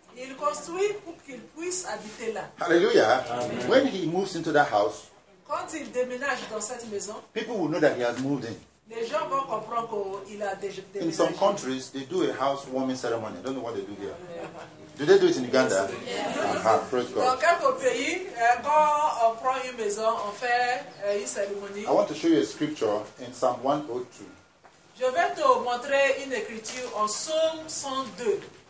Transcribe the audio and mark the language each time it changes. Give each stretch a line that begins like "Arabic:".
French: Il construit pour qu'il puisse habiter là.
English: Hallelujah. Amen. When he moves into that house,
French: quand il déménage dans cette maison,
English: people will know that he has moved in.
French: Les gens vont comprendre qu'il a déménagé.
English: In some countries, they do a house warming ceremony. I don't know what they do there. Do they do it in Uganda? Yes. Praise God.
French: Dans quelques pays, quand on prend une maison, on fait une cérémonie.
English: I want to show you a scripture in Psalm 102.
French: Je vais te montrer une écriture en Psalm 102.